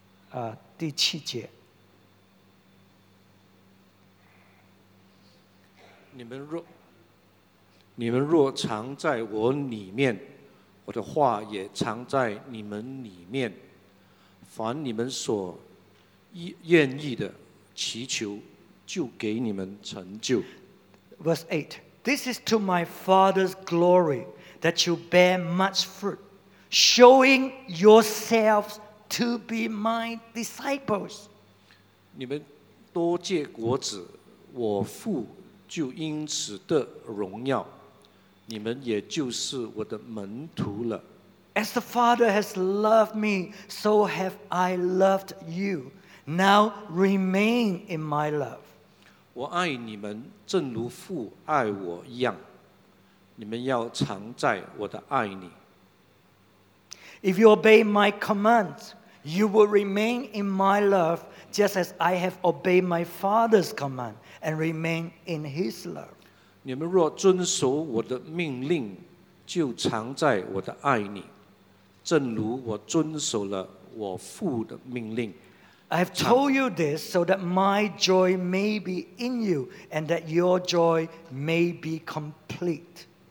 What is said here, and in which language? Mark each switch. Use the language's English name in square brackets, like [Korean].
[English] Verse 8. This is to my Father's glory that you bear much fruit, showing yourselves to be my disciples. [Chinese] 你们多结果子, 我父就因此得荣耀, 你们也就是我的门徒了。 [English] As the Father has loved me, so have I loved you. Now remain in my love. [Chinese] 我爱你们正如父爱我一样, 你们要常在我的爱里。 [English] If you obey my commands, you will remain in my love just as I have obeyed my Father's command and remain in his love. [Chinese] 你们若遵守我的命令，就常在我的爱里， 正如我遵守了我父的命令。 [English] I have told you this so that my joy may be in you and that your joy may be complete.